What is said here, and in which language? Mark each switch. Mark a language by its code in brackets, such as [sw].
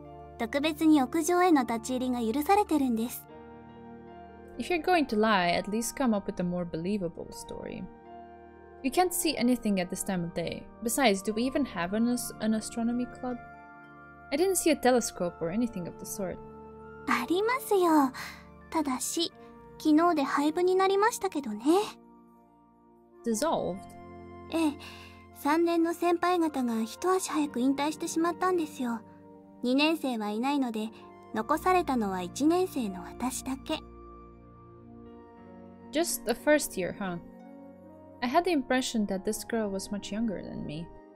[ja] そのことですか。私、天文部なんですよ。特別に屋上への立ち入りが許されてるんです。 [en] If you're going to lie, at least come up with a more believable story. You can't see anything at this time of day. Besides, do we even have an astronomy club? I didn't see a telescope or anything of the sort. [ja] ありますよ。ただし、昨日で廃部になりましたけどね。 [en] Dissolved? [ja] ええ。3年の先輩方が一足早く引退してしまったんですよ。2年生はいないので、残されたのは1年生の私だけ。 [en] Just the first year, huh? I had the impression that this girl was much younger than me.